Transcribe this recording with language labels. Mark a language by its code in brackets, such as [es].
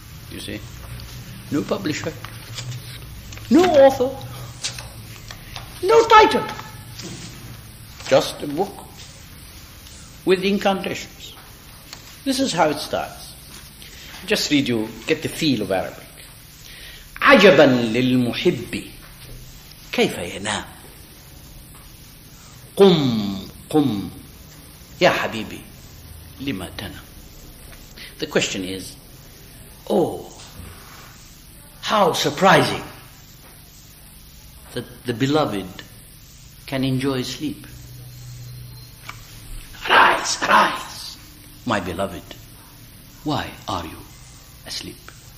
[en] You see? No publisher. No author. No title. Just a book with incantations. This is how it starts. Just read you, get the feel of Arabic. [ar] عجباً للمحب كيف ينام قم قم يا حبيبي لما تنام. [en] The question is, oh, how surprising that the beloved can enjoy sleep. Arise, arise, my beloved. Why are you asleep?